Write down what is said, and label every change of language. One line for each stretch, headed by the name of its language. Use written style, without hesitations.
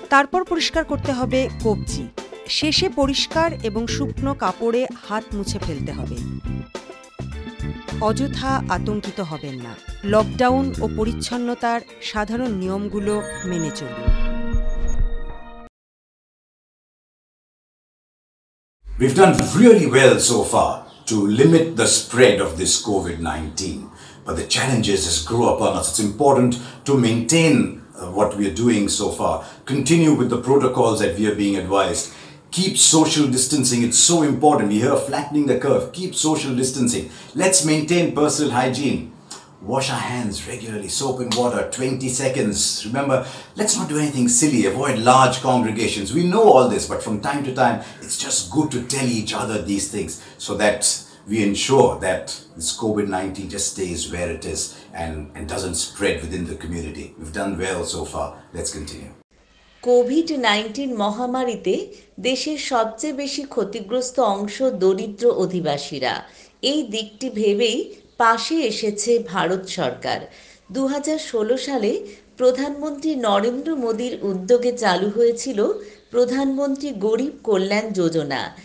Bangla: তারপর পরিষ্কার করতে হবে কবজি। শেষে পরিষ্কার এবং শুকনো কাপড়ে হাত মুছে ফেলতে হবে। অযথা আতঙ্কিত হবেন না, লকডাউন ও পরিচ্ছন্নতার সাধারণ নিয়মগুলো মেনে চলুন।
English: We've done really well so far to limit the spread of this COVID-19. But the challenges has grown upon us. It's important to maintain what we are doing so far. Continue with the protocols that we are being advised. Keep social distancing. It's so important. We hear flattening the curve. Keep social distancing. Let's maintain personal hygiene. Wash our hands regularly. Soap and water, 20 seconds. Remember, let's not do anything silly. Avoid large congregations. We know all this, but from time to time, it's just good to tell each other these things so that we ensure that this COVID-19 just stays where it is and doesn't spread within the community. We've done well so far. Let's continue.
Bangla: COVID-19 মহামারীতে দেশের সবচেয়ে বেশি ক্ষতিগ্রস্ত অংশ দরিদ্র অধিবাসীরা। এই দিকটি ভেবেই পাশে এসেছে ভারত সরকার। 2016 সালে প্রধানমন্ত্রী নরেন্দ্র মোদীর উদ্যোগে চালু হয়েছিল প্রধানমন্ত্রী গরিব কল্যাণ যোজনা।